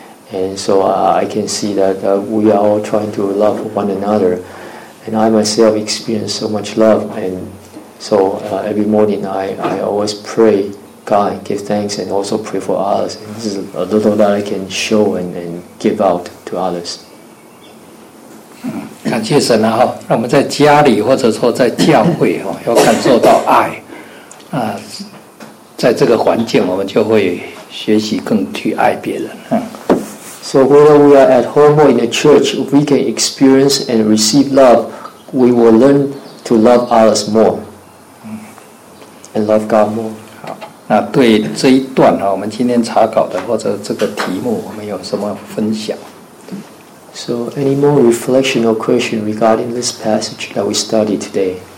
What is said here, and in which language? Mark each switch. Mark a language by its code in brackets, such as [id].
[en] And so I can see that we are all trying to love one another. And I myself experience so much love. And so every morning I always pray God, give thanks, and also pray for others. And this is a little that I can show and give out to others. [zh] 感谢神啊，让我们在家里或者说在教会啊，要感受到爱啊，在这个环境我们就会学习更去爱别人。嗯。 [en] So whether we are at home or in the church, if we can experience and receive love, we will learn to love others more and love God more. [zh] 好，那对这一段啊，我们今天查考的或者这个题目，我们有什么分享？ [en] So, any more reflection or question regarding this passage that we studied today?